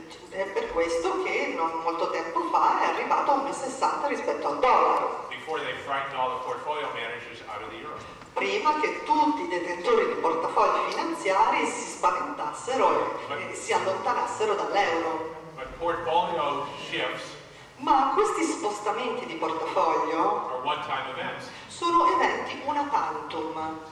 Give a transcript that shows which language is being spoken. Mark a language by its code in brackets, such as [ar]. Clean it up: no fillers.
[it] È per questo che non molto tempo fa è arrivato a 1,60 rispetto al dollaro. [en] Before they frightened all the portfolio managers out of the euro. [it] Prima che tutti i detentori di portafogli finanziari si spaventassero e si allontanassero dall'euro. [en] But portfolio shifts, [it] ma questi spostamenti di portafoglio [en] one-time events, [it] sono eventi una tantum.